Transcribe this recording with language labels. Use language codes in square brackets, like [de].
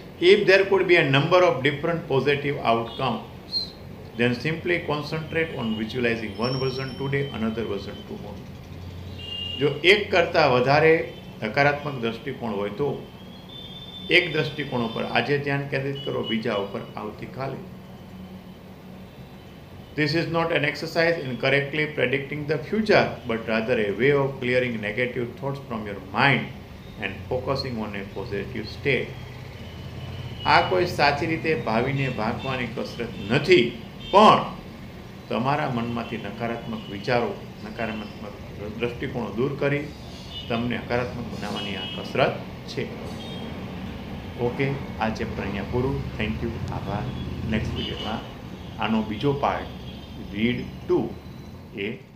[en] If there could be a number of different positive outcomes, then simply concentrate on visualising one version today, another version tomorrow. [gu] જો એક કરતાં વધારે હકારાત્મક દ્રષ્ટિકોણ હોય તો એક દ્રષ્ટિકોણ ઉપર આજે ધ્યાન કેન્દ્રિત કરો, બીજા ઉપર આવતીકાલે. [en] This is not an exercise in correctly predicting the future, but rather a way of clearing negative thoughts from your mind and focusing on a positive state. [gu] આ કોઈ સાચી રીતે ભાવિને ભાંકવાની કસરત નથી, પણ તમારા મનમાંથી નકારાત્મક વિચારો, નકારાત્મક દ્રષ્ટિકોણો દૂર કરી તમને હકારાત્મક બનાવવાની આ કસરત છે. ઓકે, આજે અહીંયા પૂરું. [en] thank you, [gu] આભાર. નેક્સ્ટ વિડીયોમાં આનો બીજો પાર્ટ, રીડ 2 એ